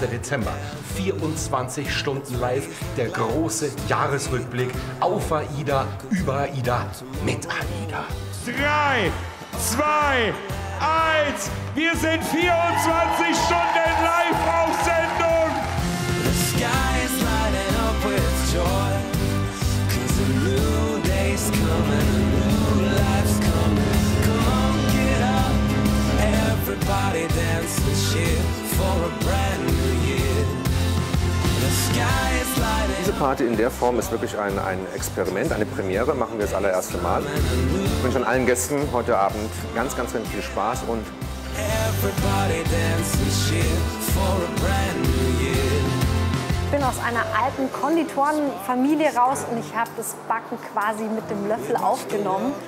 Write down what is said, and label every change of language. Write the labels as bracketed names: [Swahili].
[German] Dezember, 24 Stunden live, der große Jahresrückblick auf AIDA, über AIDA, mit AIDA. 3, 2, 1, wir sind 24 Stunden live auf Sendung! [English] The sky is lighting up with joy, cause a new day's coming, a new life's coming. Everybody dance and cheer for a brand new year. The sky is lighting. [German] Diese Party in der Form ist wirklich ein Experiment, eine Premiere. Machen wir das allererste Mal. Ich wünsche an allen Gästen heute Abend ganz, ganz, ganz viel Spaß und [English] everybody dance and cheer for a brand new year. [German] Ich bin aus einer alten Konditorenfamilie raus und ich habe das Backen quasi mit dem Löffel aufgenommen.